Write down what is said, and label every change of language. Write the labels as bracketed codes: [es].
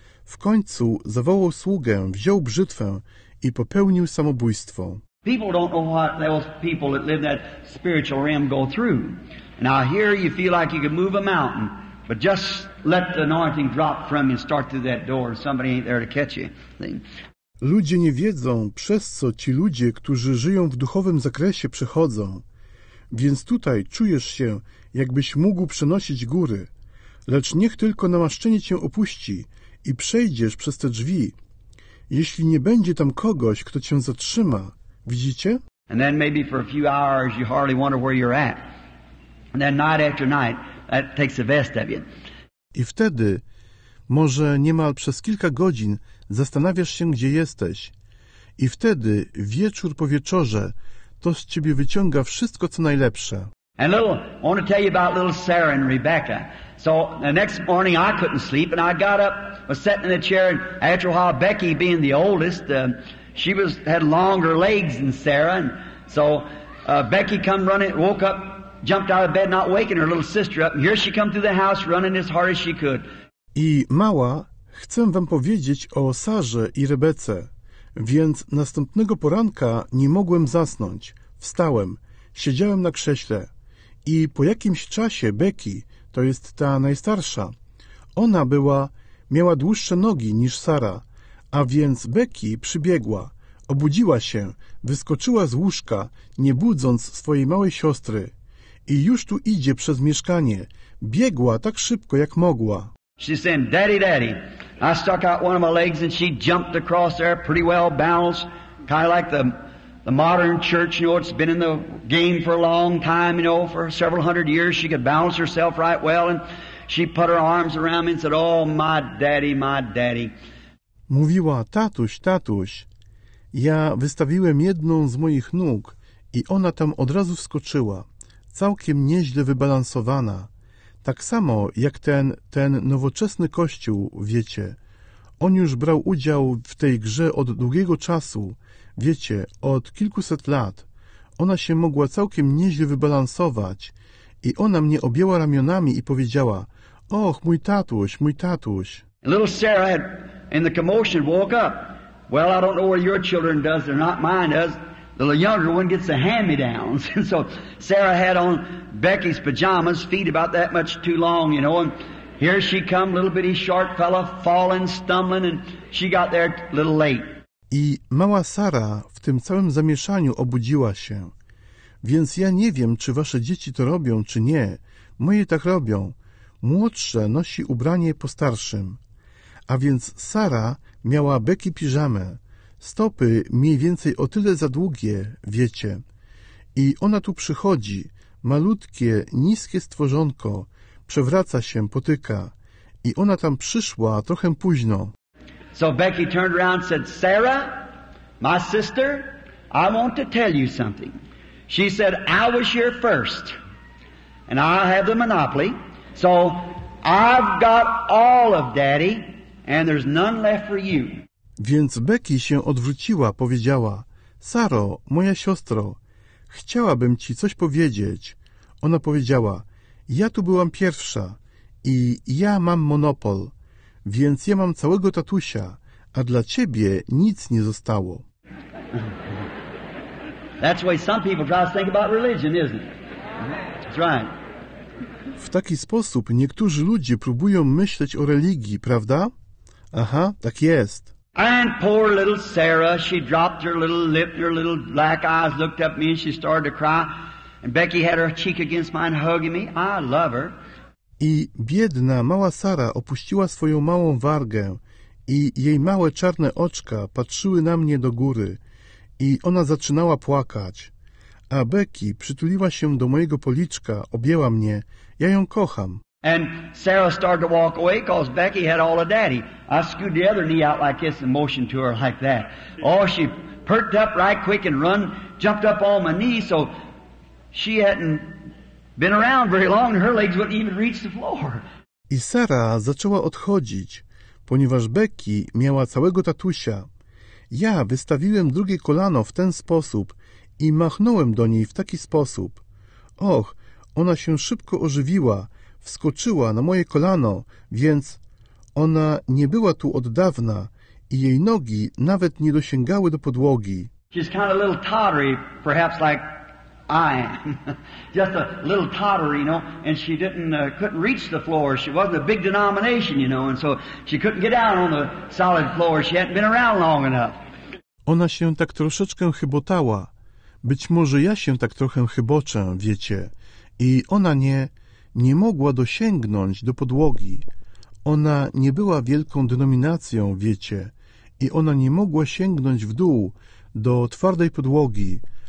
[pl] W końcu zawołał sługę, wziął brzytwę i popełnił samobójstwo. [en] People don't know what those people that live that spiritual realm go through. Now here you feel like you can move a mountain. But just let the anointing drop from you and start through that door. Somebody ain't there to catch you. [pl] Ludzie nie wiedzą, przez co ci ludzie, którzy żyją w duchowym zakresie, przechodzą. Więc tutaj czujesz się, jakbyś mógł przenosić góry. Lecz niech tylko namaszczenie cię opuści i przejdziesz przez te drzwi. Jeśli nie będzie tam kogoś, kto cię zatrzyma, widzicie? [en] And then maybe for a few hours you hardly wonder where you're at. And then night after night, that takes the best of you. [pl] I wtedy, może niemal przez kilka godzin, zastanawiasz się, gdzie jesteś. I wtedy, wieczór po wieczorze, to z ciebie wyciąga wszystko, co najlepsze. [en] And little, I want to tell you about little Sarah and Rebecca. So the next morning I couldn't sleep and I got up, was sitting in a chair, and after a while Becky, being the oldest, she had longer legs than Sarah. And so Becky come running, woke up, jumped out of bed, not waking her little sister up. And here she come through the house, running as hard as she could. [pl] I mała, chcę wam powiedzieć o Sarze i Rebece. Więc następnego poranka nie mogłem zasnąć. Wstałem, siedziałem na krześle. I po jakimś czasie Becky, to jest ta najstarsza, ona miała dłuższe nogi niż Sara. A więc Becky przybiegła, obudziła się, wyskoczyła z łóżka, nie budząc swojej małej siostry. I już tu idzie przez mieszkanie. Biegła tak szybko, jak mogła. [en] She said, Daddy, Daddy. I stuck out one of my legs and she jumped across there pretty well balanced. Kind of like the modern church, you know, it's been in the game for a long time, you know, for several hundred years. She could balance herself right well. And she put her arms around me and said, oh, my daddy, my daddy. [pl] Mówiła, tatuś, tatuś. Ja wystawiłem jedną z moich nóg i ona tam od razu wskoczyła. Całkiem nieźle wybalansowana. Tak samo jak ten nowoczesny kościół, wiecie. On już brał udział w tej grze od długiego czasu. Wiecie, od kilkuset lat. Ona się mogła całkiem nieźle wybalansować. I ona mnie objęła ramionami i powiedziała: och, mój tatuś, mój tatuś. [en] Little Sarah had, in the commotion, woke up. Well, I don't know what your children does, they're not mine does. The younger one gets the hand-me-downs. And so Sarah had on Becky's pajamas, feet about that much too long, you know, and here she come, little bitty short fella, falling, stumbling, and she got there a little late. [pl] I mała Sara w tym całym zamieszaniu obudziła się. Więc ja nie wiem, czy wasze dzieci to robią, czy nie. Moje tak robią. Młodsze nosi ubranie po starszym. A więc Sara miała Becky piżamę. Stopy mniej więcej o tyle za długie, wiecie. I ona tu przychodzi, malutkie, niskie stworzonko, przewraca się, potyka. I ona tam przyszła trochę późno. [en] So Becky turned around and said, Sarah, my sister, I want to tell you something. She said, I was here first, and I have the monopoly, so I've got all of Daddy, and there's none left for you. [pl] Więc Becky się odwróciła, powiedziała, Saro, moja siostro, chciałabym ci coś powiedzieć. Ona powiedziała, ja tu byłam pierwsza i ja mam monopol, więc ja mam całego tatusia, a dla ciebie nic nie zostało. [en] That's the way some people try to think about religion, isn't it? That's right. [pl] W taki sposób niektórzy ludzie próbują myśleć o religii, prawda? Aha, tak jest. [en] And poor little Sarah, she dropped her little lip, her little black eyes, looked up at me and she started to cry. And Becky had her cheek against mine, hugging me. I love her. [pl] I biedna mała Sara opuściła swoją małą wargę i jej małe czarne oczka patrzyły na mnie do góry i ona zaczynała płakać. A Becky przytuliła się do mojego policzka, objęła mnie. Ja ją kocham. [en] And Sarah started to walk away because Becky had all of Daddy. I scooted the other knee out like this and motioned to her like that. Oh, she perked up right quick and run, jumped up on my knee, so she hadn't been around very long and her legs wouldn't even reach the floor. [pl] I Sarah zaczęła odchodzić, ponieważ Becky miała całego tatusia. Ja wystawiłem drugie kolano w ten sposób i machnąłem do niej w taki sposób. Och, ona się szybko ożywiła, wskoczyła na moje kolano, więc ona nie była tu od dawna i jej nogi nawet nie dosięgały do podłogi. [en] She's kind of a little tottery, perhaps like I am. Just a little tottery, you know, and she didn't couldn't reach the floor. She wasn't a big denomination, you know, and so she couldn't get down on the solid floor. She hadn't been around long enough. [pl] Ona się tak troszeczkę chybotała. Być może ja się tak trochę chyboczę, wiecie. I ona nie mogła dosięgnąć do podłogi. Ona nie była wielką denominacją, wiecie. I ona nie mogła sięgnąć w dół, do twardej podłogi.